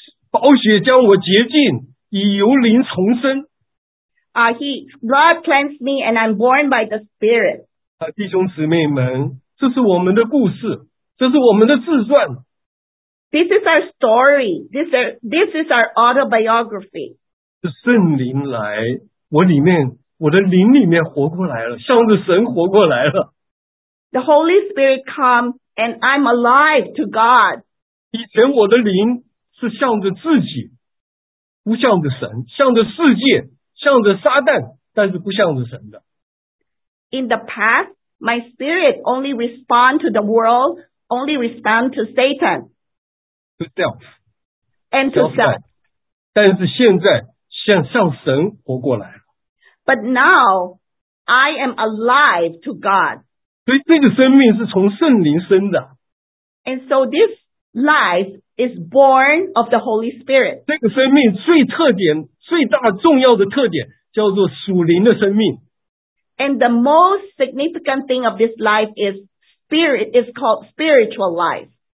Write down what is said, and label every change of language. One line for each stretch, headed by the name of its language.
Chinese: 宝血将我洁净，以油淋重生。
English: He blood cleansed me, and I'm born by the Spirit.
Chinese: 弟兄姊妹们，这是我们的故事，这是我们的自传。
English: This is our story. This is our autobiography.
Chinese: 圣灵来，我里面，我的灵里面活过来了，向着神活过来了。
English: The Holy Spirit come, and I'm alive to God.
Chinese: 以前我的灵是向着自己，不向着神，向着世界。向着撒旦，但是不向着神的。
English: In the past, my spirit only respond to the world, only respond to Satan. To self. And to self.
Chinese: 但是现在向上神活过来了。
English: But now, I am alive to God.
Chinese: 所以这个生命是从圣灵生的。
English: And so this life is born of the Holy Spirit.
Chinese: 这个生命最特点最大重要的特点叫做属灵的生命。
English: And the most significant thing of this life is spirit, is called spiritual life.